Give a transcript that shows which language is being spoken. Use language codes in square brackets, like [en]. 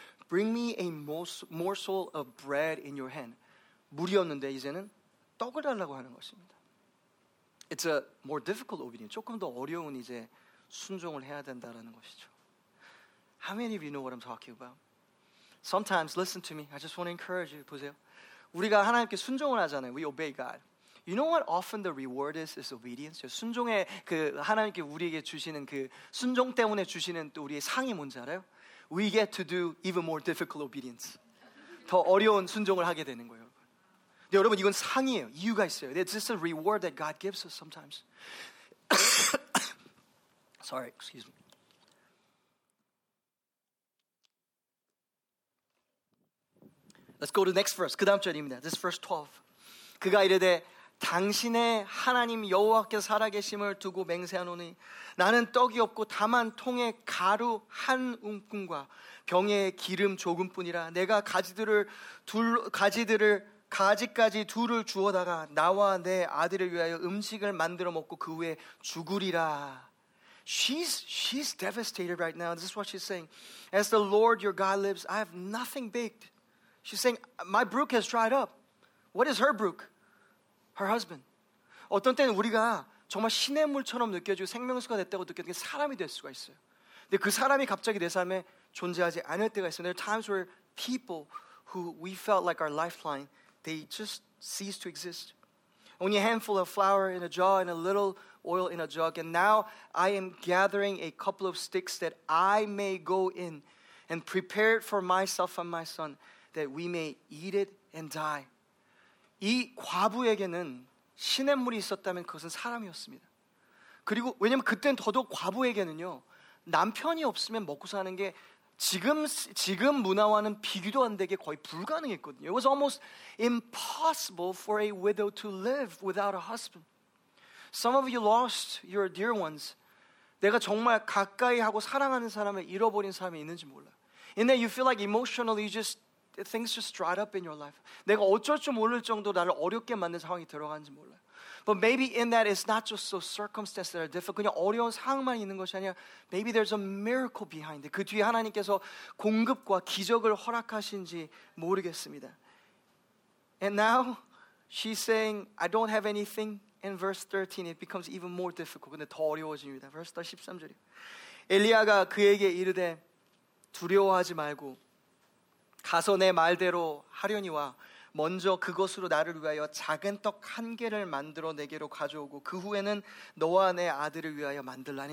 [en] Bring me a morsel of bread in your hand. [ko] 물이었는데 이제는 떡을 달라고 하는 것입니다. [en] It's a more difficult obedience. [ko] 조금 더 어려운 이제 순종을 해야 된다라는 것이죠. [en] How many of you know what I'm talking about? Sometimes, listen to me. I just want to encourage you. [ko] 보세요. 우리가 하나님께 순종을 하잖아요. [en] We obey God. You know what often the reward is obedience. [ko] 순종의 그 하나님께 우리에게 주시는 그 순종 때문에 주시는 또 우리의 상이 뭔지 알아요? [en] We get to do even more difficult obedience. [ko] 더 어려운 순종을 하게 되는 거예요. 근데 여러분 이건 상이에요. 이유가 있어요. [en] It's just a reward that God gives us sometimes. Sorry, excuse me. Let's go to the next verse. [ko] 그 다음 절입니다. [en] This is verse 12. [ko] 그가 이르되 당신의 하나님 여호와께서 살아계심을 두고 맹세하노니 나는 떡이 없고 다만 통에 가루 한 움큼과 병에 기름 조금뿐이라 내가 가지까지 둘을 주어다가 나와 내 아들을 위하여 음식을 만들어 먹고 그 후에 죽으리라. [en] She's devastated right now. This is what she's saying. As the Lord your God lives, I have nothing baked. She's saying, my brook has dried up. What is her brook? Her husband. [ko] 어떤 때는 우리가 정말 신의 물처럼 느껴지고 생명수가 됐다고 느껴지는 게 사람이 될 수가 있어요. 근데 그 사람이 갑자기 내 삶에 존재하지 않을 때가 있어요. [en] There are times where people who we felt like our lifeline, they just cease to exist. Only a handful of flour in a jar and a little oil in a jug. And now I am gathering a couple of sticks that I may go in and prepare it for myself and my son. that we may eat it and die. [ko] 이 과부에게는 신의 물이 있었다면 그것은 사람이었습니다. 그리고 왜냐면 그때는 더더욱 과부에게는요 남편이 없으면 먹고 사는 게 지금 문화와는 비교도 안 되게 거의 불가능했거든요. [en] It was almost impossible for a widow to live without a husband. Some of you lost your dear ones. [ko] 내가 정말 가까이 하고 사랑하는 사람을 잃어버린 사람이 있는지 몰라. [en] And then you feel like emotionally you just things just dried up in your life. [ko] 내가 어쩔 줄 모를 정도로 나를 어렵게 만든 상황이 들어가는지 몰라. [en] But maybe in that it's not just the circumstances that are difficult. [ko] 그냥 어려운 상황만 있는 것이 아니라 [en] maybe there's a miracle behind it. [ko] 그 뒤에 하나님께서 공급과 기적을 허락하신지 모르겠습니다. [en] And now she's saying, I don't have anything. In verse 13, it becomes even more difficult. [ko] 근데 더 어려워집니다. [en] Verse 13절이요. [ko] 엘리야가 그에게 이르되 두려워하지 말고 가서 내 말대로 하려니와 먼저 그것으로 나를 위하여 작은 떡 한 개를 만들어 내게로 가져오고 그 후에는 너와 내 아들을 위하여 만들라니.